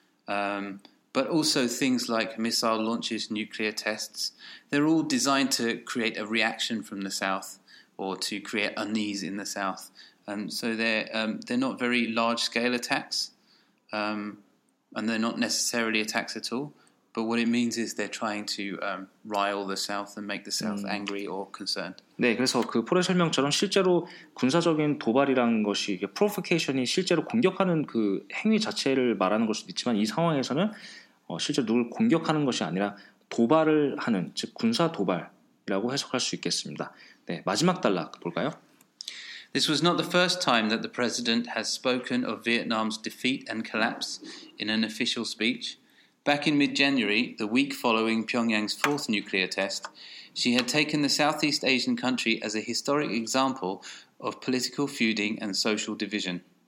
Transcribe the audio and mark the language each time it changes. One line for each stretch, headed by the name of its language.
English: But also things like missile launches, nuclear tests, they're all designed to create a reaction from the South or to create unease in the South. So they're not very large-scale attacks and they're not necessarily attacks at all. But what it means is they're trying to rile the South and make the South angry or concerned.
Korean: 네, 그래서 그 폴의 설명처럼 실제로 군사적인 도발이라는 것이 이게 provocation이 실제로 공격하는 그 행위 자체를 말하는 것일 수도 있지만 이 상황에서는 실제 누굴 공격하는 것이 아니라 도발을 하는 즉 군사 도발이라고 해석할 수 있겠습니다. 네, 마지막 단락 볼까요?
English: This was not the first time that the president has spoken of Vietnam's defeat and collapse in an official speech. Back in mid-January, the week following Pyongyang's fourth nuclear test, she had taken the Southeast Asian country as a historic example of political feuding and social division.